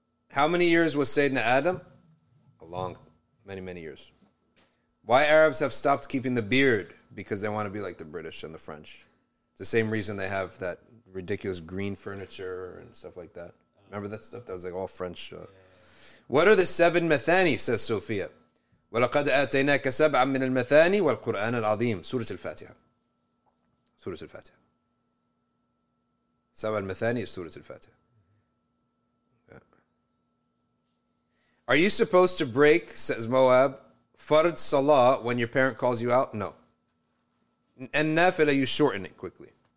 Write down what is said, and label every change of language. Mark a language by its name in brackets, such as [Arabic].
[English] How many years was Sayyidina Adam? A long, many, many years. Why Arabs have stopped keeping the beard? Because they want to be like the British and the French. It's the same reason they have that ridiculous green furniture and stuff like that. Remember that stuff? That was like all French... What are the seven mathani, says Sophia? [Arabic] وَلَقَدْ أَتَيْنَاكَ سَبْعًا مِنَ الْمَثَانِي وَالْقُرْآنَ الْعَظِيمِ Surah Al-Fatiha. [English] Surah Al-Fatiha. سَبْعَ الْمَثَانِي is Surah Al-Fatiha. Yeah. Are you supposed to break, says Moab, فَرْد Salah when your parent calls you out? No. And nafila, you shorten it quickly.